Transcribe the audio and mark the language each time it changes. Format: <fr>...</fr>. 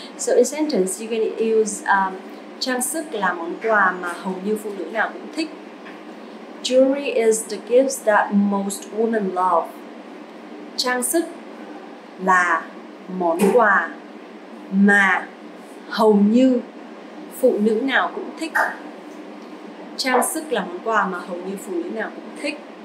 <en>So in sentence, you can use</en> <vi>trang sức là món quà mà hầu như phụ nữ nào cũng thích.</vi> <en>Jewelry is the gifts that most women love.</en> <vi>Trang sức là món quà mà hầu như phụ nữ nào cũng thích. Trang sức là món quà mà hầu như phụ nữ nào cũng thích.</vi>